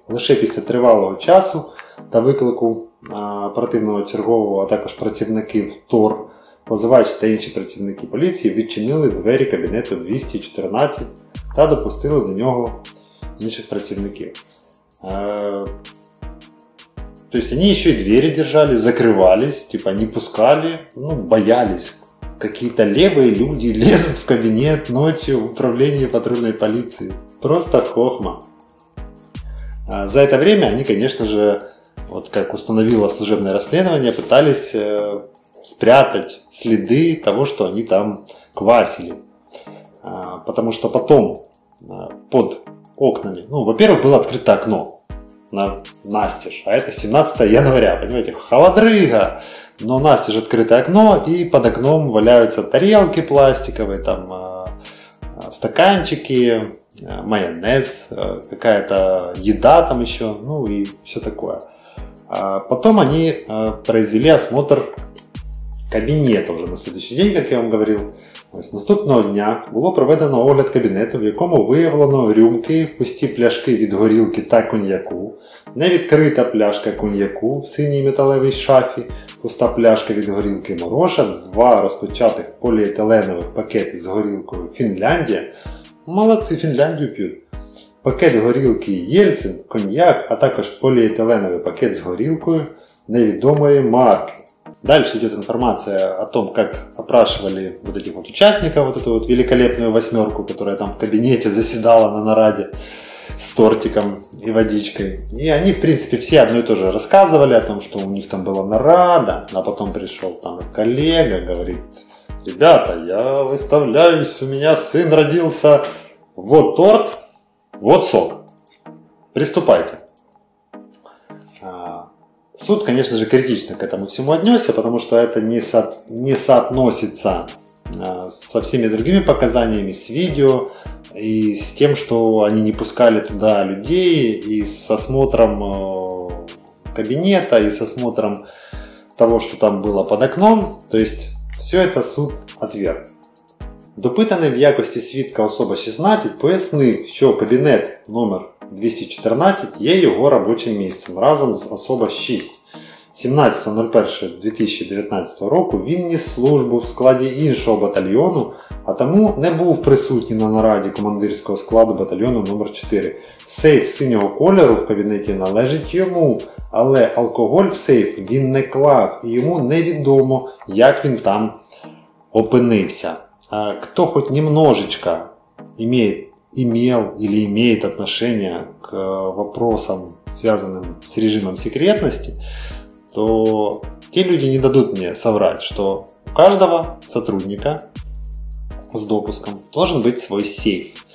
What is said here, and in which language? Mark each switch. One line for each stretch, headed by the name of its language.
Ukrainian: Лише після тривалого часу та виклику оперативного чергового, а також працівників ТОР, позивач та інші працівники поліції відчинили двері кабінету 214 та допустили до нього інших працівників.
Russian: То есть они еще и двери держали, закрывались, типа не пускали, ну боялись. Какие-то левые люди лезут в кабинет ночью в управление патрульной полиции. Просто хохма. За это время они, конечно же, вот как установило служебное расследование, пытались спрятать следы того, что они там квасили. Потому что потом под окнами, ну, во-первых, было открыто окно настежь, а это 17 января, понимаете, холодрыга, но настежь открытое окно, и под окном валяются тарелки пластиковые, там стаканчики, майонез, какая-то еда там еще, ну и все такое. Потом они произвели осмотр кабинета уже на следующий день, как я вам говорил.
Ukrainian: С наступного дня було проведено огляд кабінету, в якому виявлено рюмки, пусті пляшки від горілки та коньяку, невідкрита пляшка коньяку в синій металевій шафі, пуста пляшка від горілки морожен, два розпочатих поліетиленових пакети з горілкою Фінляндія. Молодці, Фінляндію п'ють. Пакет горілки Єльцин, коньяк, а також поліетиленовий пакет з горілкою невідомої марки.
Russian: Дальше идет информация о том, как опрашивали вот этих вот участников, вот эту вот великолепную восьмерку, которая там в кабинете заседала на нараде с тортиком и водичкой. И они, в принципе, все одно и то же рассказывали о том, что у них там была нарада, а потом пришел там коллега, говорит: «Ребята, я выставляюсь, у меня сын родился, вот торт, вот сок, приступайте». Суд, конечно же, критично к этому всему отнесся, потому что это не соотносится со всеми другими показаниями, с видео и с тем, что они не пускали туда людей, и с осмотром кабинета, и с осмотром того, что там было под окном. То есть все это суд отверг.
Ukrainian: Допытанный в якости свідка особа 16 пояснив, що кабінет номер 214 є його робочим місцем разом з особа 6. 17.01.2019 року він ніс службу в складі іншого батальйону, а тому не був присутній на нараді командирського складу батальйону номер 4. Сейф синього кольору в кабінеті належить йому, але алкоголь в сейф він не клав, і йому невідомо, як він там опинився.
Russian: Кто хоть немножечко имел или имеет отношение к вопросам, связанным с режимом секретности, то те люди не дадут мне соврать, что у каждого сотрудника с допуском должен быть свой сейф.